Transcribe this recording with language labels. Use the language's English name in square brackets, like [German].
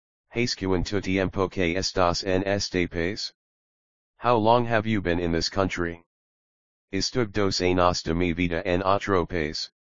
[Spanish] ¿Hace cuánto tiempo que estás en este país? [English] How long have you been in this country? [Spanish] Estuve 2 años de mi vida en otro país.